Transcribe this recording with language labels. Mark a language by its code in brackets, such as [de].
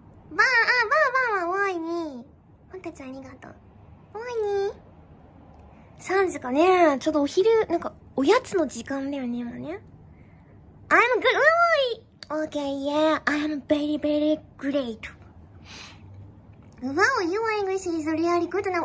[ja] バーバーは [en] why me? [ja] ほんたちゃんありがとう。 [en] why me? [ja] 3時かね。ちょっとお昼、なんか、おやつの時間だよね、今ね。 [en] I'm good, okay, yeah, I'm very, very great. Wow, your English is really good now.